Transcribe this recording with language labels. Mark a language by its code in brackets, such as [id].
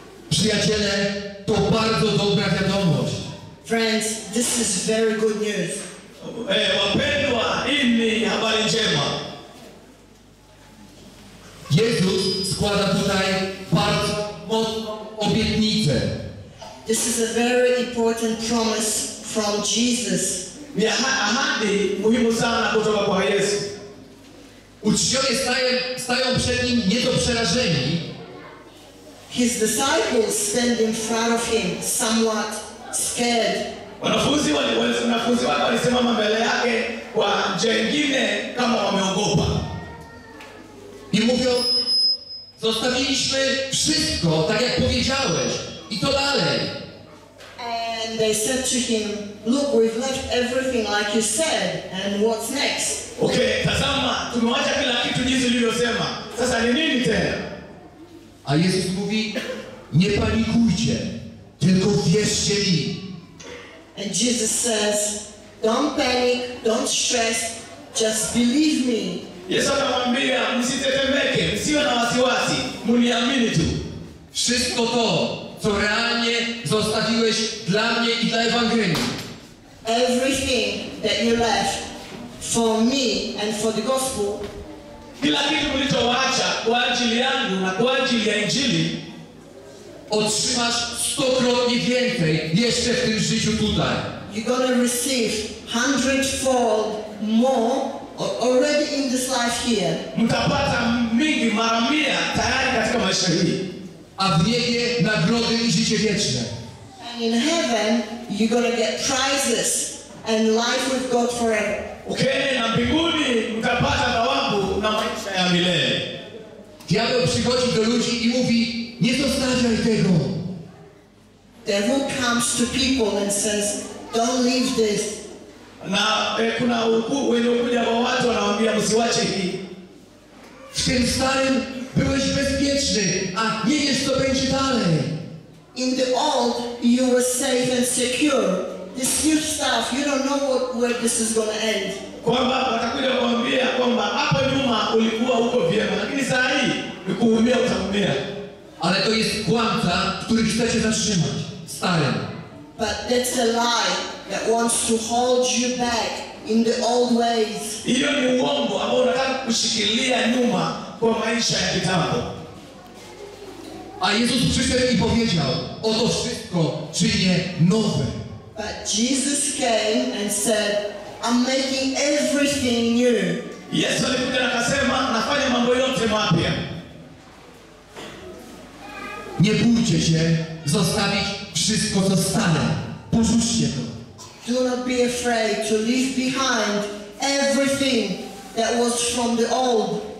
[pl] Przyjaciele, to bardzo dobra wiadomość. [en] Friends, this is very good news. [sw] Wapendwa, hii ni habari njema. [pl] Jezus składa tutaj bardzo mocną obietnicę. [en] This is a very important promise from Jesus. [sw] Ni ahadi muhimu sana kutoka kwa Yesu. [pl] Uczniowie stają przed nim nie do przerażeni. [en] His disciples stand in front of him somewhat scared. [sw] Wanafunzi wake walisimama mbele yake kwa njia nyingine kama wameogopa. [pl] I mówią, zostawiliśmy wszystko, tak jak powiedziałeś, i to dalej. [en] And they said to him, "Look, we've left everything like you said, and what's next?" [sw] Okay, tazama, tumewacha kila kitu jinsi ulivyosema. Sasa ni nini tena? [pl] A Jezus mówi, "Nie panikujcie, tylko wierzcie mi." [en] And Jesus says, "Don't panic, don't stress, just believe me." [sw] Yesu anamwambia, "Msitetemeke, msiwe na wasiwasi, mniamini tu." [pl] Wszystko to, co realnie zostawiłeś dla mnie i dla Ewangelii. [en] Everything that you left for me and for the gospel. [sw] Kila kitu ulichowacha kwa ajili yangu na kwa ajili ya injili. [pl] Otrzymasz 100-krotnie więcej jeszcze w tym życiu tutaj. [en] You're gonna receive 100-fold more already in this life here. [sw] Mtapata mingi mara mia tayari katika maisha hii. [pl] A w niebie nagrody i życie wieczne. [en] And in heaven, you're gonna get prizes and life with God forever. [sw] Okay, na mbinguni mtapata thawabu na maisha ya milele. [pl] Diabeł przychodzi do ludzi i mówi, nie zostawiaj tego. [en] Devil comes to people and says, "Don't leave this." [sw] Na kuna wenye kuja kwa watu wanawaambia, "Msiwache hii." [pl] W tym starym byłeś bezpieczny, a nie jest to będzie dalej. [en] In the old, you were safe and secure. This new stuff, you don't know where this is going to end. [sw] Kwamba watakuja kuambia kwamba hapo nyuma ulikuwa huko vyema, lakini saa hii ni kuumia utaumia. [pl] Ale to jest kłamca, który chce cię zatrzymać. Stary. [en] But that's a lie that wants to hold you back in the old ways. [sw] Hiyo ni uongo ambao unataka kushikilia nyuma kwa maisha ya kitambo. [pl] A Jezus przyszedł i powiedział: oto wszystko czynię nowe. [en] But Jesus came and said, I'm making everything new. [sw] Yesu alikuja akasema nafanya mambo yote mapya. [pl] Nie bójcie się zostawić wszystko, co stare. Porzućcie to. [en] Do not be afraid to leave behind everything that was from the old.